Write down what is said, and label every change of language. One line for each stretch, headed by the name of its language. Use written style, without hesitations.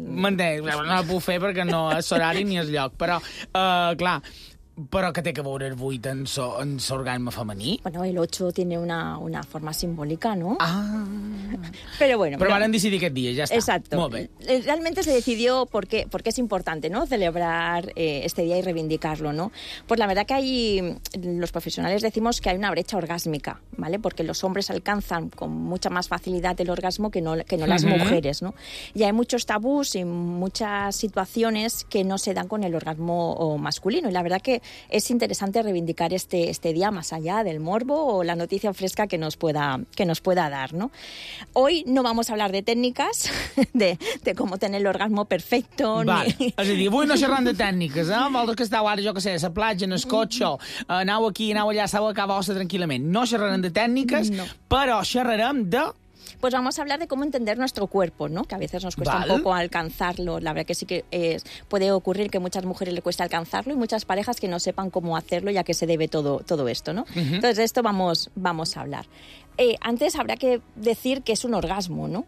Catalan: M'entenc, no la puc fer perquè no és horari ni és lloc, però, clar, però què té que veure el 8 en l'orgasme femení?
Spanish: Bueno, el 8 tiene una forma simbólica, ¿no? Ah! Pero bueno...
Catalan: Però van decidir aquest dia, ja està.
Spanish: Exacto.
Catalan: Molt bé.
Spanish: Realmente se decidió porque es importante, ¿no?, celebrar este día y reivindicarlo, ¿no? Pues la verdad que hay... Los profesionales decimos que hay una brecha orgásmica, ¿vale? Porque los hombres alcanzan con mucha más facilidad el orgasmo que no las mujeres, ¿no? Y hay muchos tabús y muchas situaciones que no se dan con el orgasmo masculino. Y la verdad que es interesante reivindicar este día más allá del morbo o la noticia fresca que nos pueda dar, ¿no? Hoy no vamos a hablar de técnicas, de cómo tener el orgasmo perfecto. Vale. Ni...
Catalan: Avui no xerrant de tècniques, eh? Vols que esteu ara, jo què sé, a la platja, en el cotxe, aneu aquí, aneu allà, sabeu a casa vostra tranquil·lament. No xerrarem de tècniques, no. Però xerrarem de...
Spanish: Pues vamos a hablar de cómo entender nuestro cuerpo, ¿no? Que a veces nos cuesta, ¿vale?, un poco alcanzarlo. La verdad que sí que puede ocurrir que muchas mujeres le cueste alcanzarlo y muchas parejas que no sepan cómo hacerlo, ya que se debe todo esto, ¿no? Uh-huh. Entonces, de esto vamos a hablar. Antes habrá que decir que es un orgasmo, ¿no?